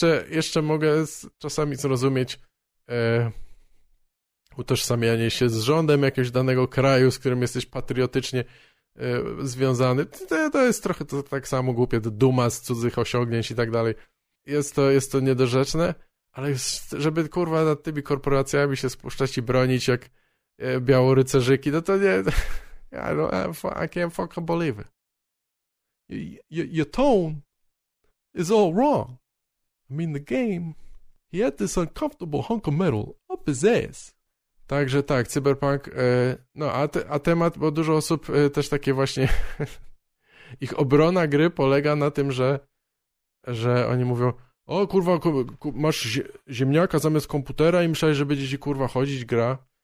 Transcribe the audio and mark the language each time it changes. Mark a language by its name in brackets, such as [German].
[Polish] Jeszcze mogę czasami zrozumieć utożsamianie się z rządem jakiegoś danego kraju, z którym jesteś patriotycznie związany. To jest trochę to tak samo głupie, to duma z cudzych osiągnięć i tak dalej. Jest to niedorzeczne, ale żeby kurwa nad tymi korporacjami się spuszczać i bronić jak białorycerzyki, no to nie. [English] I can't fucking believe it. Your tone is all wrong. I mean the game, he had this uncomfortable hunk of metal up his ass. [Polish] Także tak, cyberpunk, no a temat, bo dużo osób też takie właśnie, ich obrona gry polega na tym, że oni mówią, o kurwa, masz ziemniaka zamiast komputera i myślałeś, że będzie ci kurwa chodzić gra.